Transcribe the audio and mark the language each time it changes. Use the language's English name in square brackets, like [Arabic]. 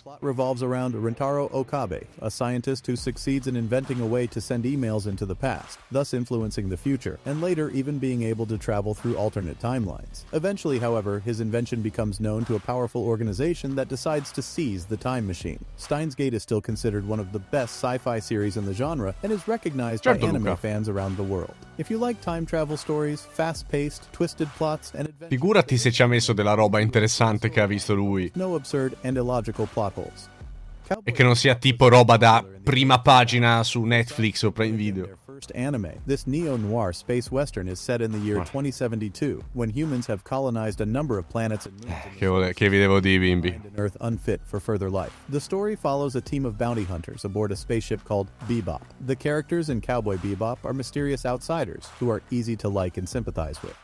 [English] The plot revolves around Rintaro Okabe, a scientist who succeeds in inventing a way to send emails into the past, thus influencing the future, and later even being able to travel through alternate timelines. Eventually, however, his invention becomes known to a powerful organization that decides to seize the time. time machine. Steins Gate is still considered one of the best sci-fi series in the genre and is recognized by anime fans around the world. If you like time travel stories, fast-paced, twisted plots and adventures, [Italian] figurati se ci ha messo della roba interessante che ha visto lui. [English] No absurd and illogical plot holes. [Italian] E che non sia tipo roba da prima pagina su Netflix o Prime Video. [English] First anime. This neo-noir space western is set in the year 2072, when humans have colonized a number of planets and moons. [Italian] Che vi devo dire, bimbi? [English] Earth unfit for further life. The story follows a team of bounty hunters aboard a spaceship called Bebop. The characters in Cowboy Bebop are mysterious outsiders who are easy to like and sympathize with.